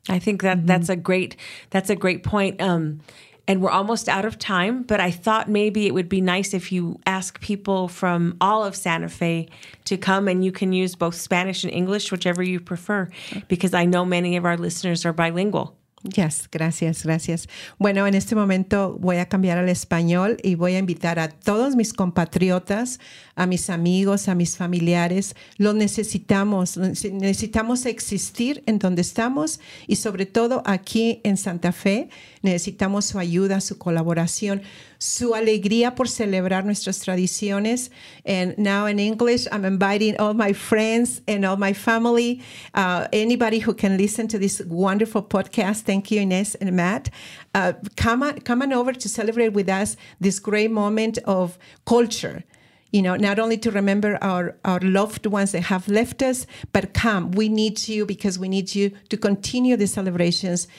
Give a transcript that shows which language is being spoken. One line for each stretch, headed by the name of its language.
English: I think that that's a great point. And we're almost out of time, but I thought maybe it would be nice if you ask people from all of Santa Fe to come, and you can use both Spanish and English, whichever you prefer, because I know many of our listeners are bilingual.
Spanish: Yes, gracias, gracias. Bueno, en este momento voy a cambiar al español y voy a invitar a todos mis compatriotas, a mis amigos, a mis familiares. Lo necesitamos, necesitamos existir en donde estamos y sobre todo aquí en Santa Fe. Necesitamos su ayuda, su colaboración, su alegría por celebrar nuestras tradiciones.
English: And now in English, I'm inviting all my friends and all my family, anybody who can listen to this wonderful podcast. Thank you, Inés and Matt. Come on over to celebrate with us this great moment of culture. You know, not only to remember our loved ones that have left us, but come, we need you, because we need you to continue the celebrations.